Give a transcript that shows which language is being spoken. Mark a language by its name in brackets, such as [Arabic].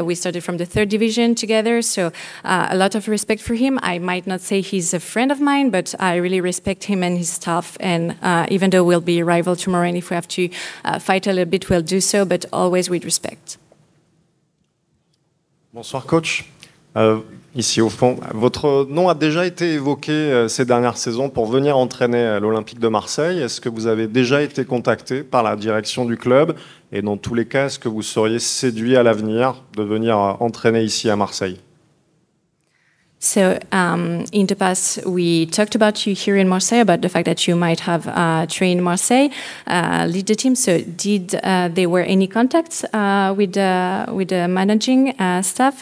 [English] We started from the third division together, so a lot of respect for him. I might not say he's a friend of mine, but I really respect him and his staff, and even though we'll be a rival tomorrow, and if we have to fight a little bit, we'll do so, but always with respect. [French] Bonsoir, coach. Ici au fond, votre nom a déjà été évoqué ces dernières saisons pour venir entraîner à l'Olympique de Marseille. Est-ce que vous avez déjà été contacté par la direction du club? Et dans tous les cas, est-ce que vous seriez séduit à l'avenir de venir entraîner ici à Marseille? [English] So in the past, we talked about you here in Marseille, about the fact that you might have trained Marseille, lead the team. So did there were any contacts with the managing staff?